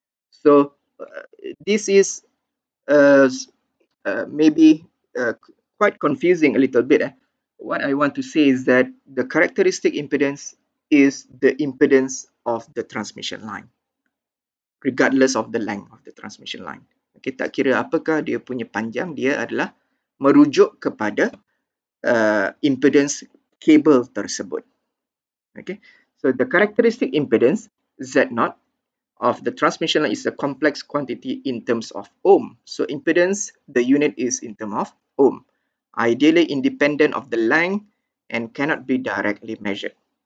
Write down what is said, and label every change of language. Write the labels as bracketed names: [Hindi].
[English] So this is quite confusing a little bit. What I want to say is that the characteristic impedance is the impedance of the transmission line, regardless of the length of the transmission line. [Malay] Okay, tak kira apakah dia punya panjang, dia adalah merujuk kepada impedance kabel tersebut. [English] Okay, so the characteristic impedance Z0 of the transmission line is a complex quantity in terms of ohm. So impedance, the unit is in terms of ohm, ideally independent of the length and cannot be directly measured.